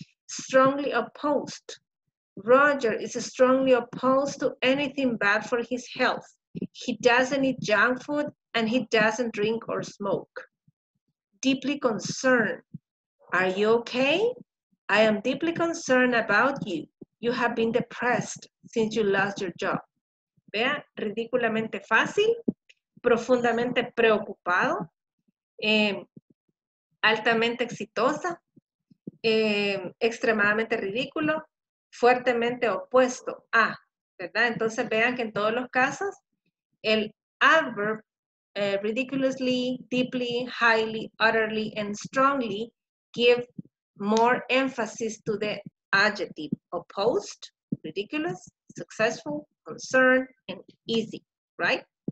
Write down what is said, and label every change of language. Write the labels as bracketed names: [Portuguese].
[English] Strongly opposed. Roger is strongly opposed to anything bad for his health. He doesn't eat junk food and he doesn't drink or smoke. Deeply concerned. Are you okay? I am deeply concerned about you. You have been depressed since you lost your job. [Spanish] Vea, ridículamente fácil, profundamente preocupado, altamente exitosa, extremadamente ridículo, fuertemente opuesto a, ¿verdad? Entonces vean que en todos los casos, el [English] adverb ridiculously, deeply, highly, utterly, and strongly give more emphasis to the adjective opposed, ridiculous, successful, concerned, and easy, right?